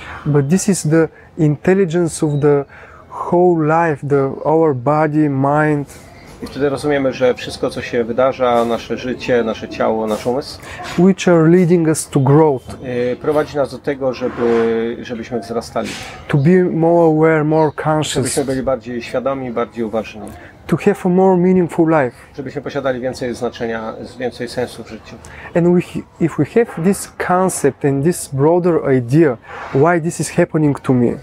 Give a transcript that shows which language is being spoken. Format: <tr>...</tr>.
<en>But this is the intelligence of the whole life, our body, mind.</en> <pl>I wtedy rozumiemy, że wszystko, co się wydarza, nasze życie, nasze ciało, nasz umysł,</pl> <en>which are leading us to growth,</en> <pl>prowadzi nas do tego, żebyśmy wzrastali,</pl> <en>to be more aware, more conscious,</en> <pl>żebyśmy byli bardziej świadomi, bardziej uważni,</pl> <en>to have a more meaningful life,</en> <pl>żebyśmy posiadali więcej znaczenia, więcej sensu w życiu.</pl> <en>And if we have this concept and this broader idea, why this is happening to me?</en>